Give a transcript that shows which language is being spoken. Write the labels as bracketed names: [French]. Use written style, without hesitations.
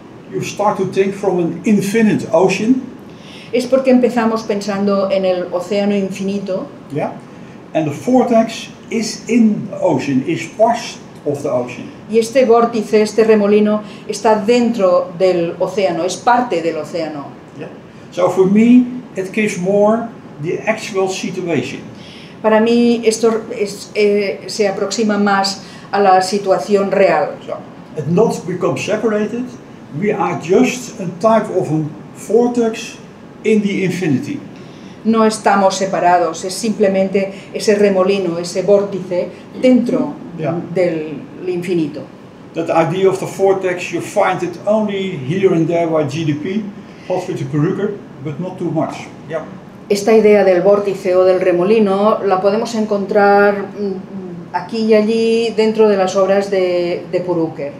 [English] You start to think from an infinite ocean. [Spanish] Es porque empezamos pensando en el océano infinito. [English] Yeah. And the vortex is in the ocean, is part of the ocean. [Spanish] Y este vórtice, este remolino, está dentro del océano, es parte del océano. [English] Yeah. So for me, it gives more the actual situation. [Spanish] Para mí esto se aproxima más a la situación real. [English] So it not becomes separated. We are just a type of a vortex in the infinity. [Spanish] No estamos separados, es simplemente ese remolino, ese vórtice dentro del infinito. [English] That idea of the vortex, you find it only here and there by GDP, Hofstede Perücker, but not too much. Yeah. [Spanish] Esta idea del vórtice o del remolino la podemos encontrar aquí y allí dentro de las obras de Perücker.